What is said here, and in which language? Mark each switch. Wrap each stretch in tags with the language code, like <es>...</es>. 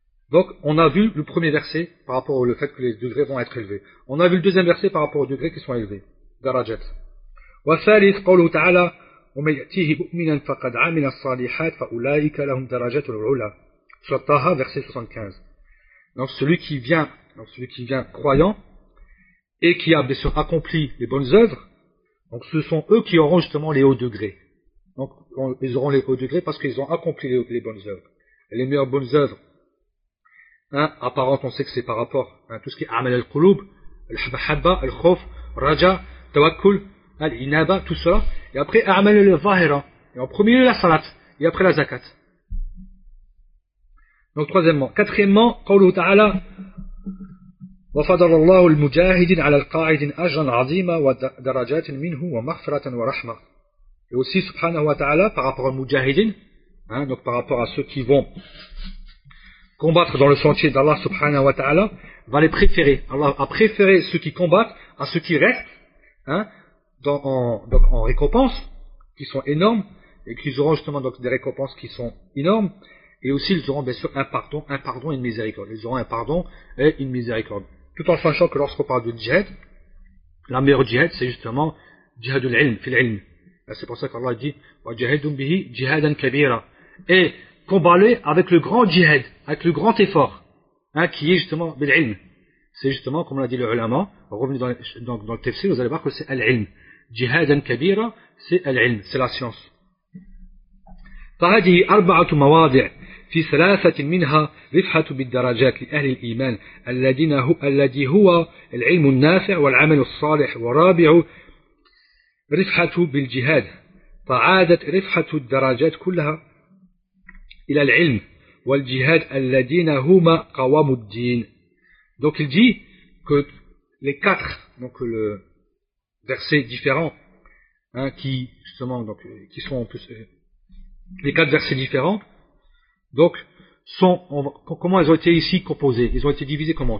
<fr>Donc on a vu le premier verset par rapport au fait que les degrés vont être élevés, on a vu le deuxième verset par rapport aux degrés qui sont élevés, darajat.</fr> <ar>والثالث قوله تعالى ومن يأتيه مؤمنا فقد عمل الصالحات فأولئك لهم درجات العلا.</ar> <fr>سورة طه verset 75. Donc celui qui vient croyant et qui a accompli les bonnes œuvres, donc ce sont eux qui auront justement les hauts degrés. Donc ils auront les hauts degrés parce qu'ils ont accompli les bonnes œuvres. Et les meilleures bonnes œuvres, hein, apparentes, on sait que c'est par rapport à hein, tout ce qui est amal al-qulub, al-habba, al-khawf, raja, tawakkul, al-inaba, tout cela. Et après, amal al-zahira. Et en premier lieu, la salat. Et après, la zakat. Donc, troisièmement. Quatrièmement,</fr> <ar>qawluhu ta'ala. وفضل الله المجاهدين على القاعدين أجرا عظيما ودرجات منه ومغفرة ورحمة.</ar> <fr>Et aussi, subhanahu wa ta'ala, par rapport aux mujahidin, hein, donc par rapport à ceux qui vont combattre dans le sentier d'Allah subhanahu wa ta'ala, va les préférer. Allah a préféré ceux qui combattent à ceux qui restent, hein, en récompenses qui sont énormes, et qu'ils auront justement donc des récompenses qui sont énormes. Et aussi, ils auront bien sûr un pardon et une miséricorde. Ils auront un pardon et une miséricorde. Tout en sachant que lorsqu'on parle de djihad, la meilleure djihad, c'est justement djihadul ilm, fil ilm. C'est pour ça qu'Allah dit,</fr> <ar>wa djihadun bihi djihadan kabira.</ar> <fr>Et combat-le avec le grand djihad, avec le grand effort, hein, qui est justement bil ilm. C'est justement, comme l'a dit le ulama, revenu dans le tafsir, vous allez voir que c'est al ilm. Djihadan kabira, c'est al ilm, c'est la science.</fr> <ar>فهذه أربعة مواضع في ثلاثة منها رفعة بالدرجات لأهل الإيمان الذي هو العلم النافع والعمل الصالح ورابع رفعة بالجهاد فعادت رفعة الدرجات كلها إلى العلم والجهاد الذين هما قوام الدين.</ar> <fr>Donc il dit que les quatre, donc le verset différent, hein, qui justement donc qui sont en plus les quatre versets différents, donc, comment ils ont été ici composés? Ils ont été divisés comment?</fr>